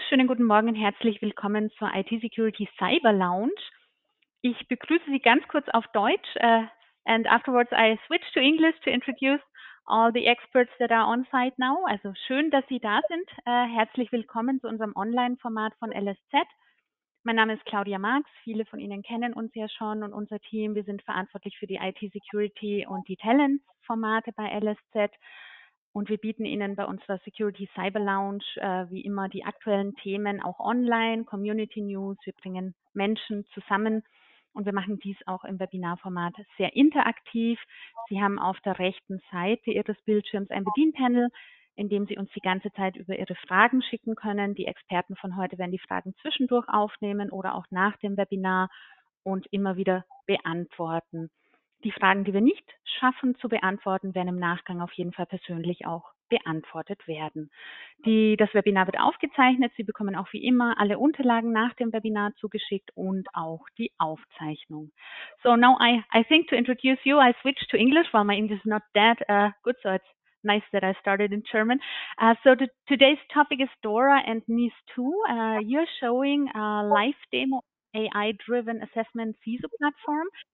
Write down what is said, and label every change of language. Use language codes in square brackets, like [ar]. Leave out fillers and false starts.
[de] Schönen guten Morgen und herzlich willkommen zur IT Security Cyber Lounge. Ich begrüße Sie ganz kurz auf Deutsch. [en] And afterwards I switch to English to introduce all the experts that are on site now. [de] Also schön, dass Sie da sind. Herzlich willkommen zu unserem Online-Format von LSZ. Mein Name ist Claudia Marx. Viele von Ihnen kennen uns ja schon und unser Team. Wir sind verantwortlich für die IT Security und die Talent-Formate bei LSZ. Und wir bieten Ihnen bei unserer Security Cyber Lounge wie immer die aktuellen Themen auch online, Community News. Wir bringen Menschen zusammen und wir machen dies auch im Webinarformat sehr interaktiv. Sie haben auf der rechten Seite Ihres Bildschirms ein Bedienpanel, in dem Sie uns die ganze Zeit über Ihre Fragen schicken können. Die Experten von heute werden die Fragen zwischendurch aufnehmen oder auch nach dem Webinar und immer wieder beantworten. Die Fragen, die wir nicht schaffen zu beantworten, werden im Nachgang auf jeden Fall persönlich auch beantwortet werden. Das Webinar wird aufgezeichnet. Sie bekommen auch wie immer alle Unterlagen nach dem Webinar zugeschickt und auch die Aufzeichnung. [en] So now I think to introduce you, I switch to English, while my English is not that good, so it's nice that I started in German. Today's topic is DORA and NIS2. You're showing a live demo AI-driven assessment CISO platform.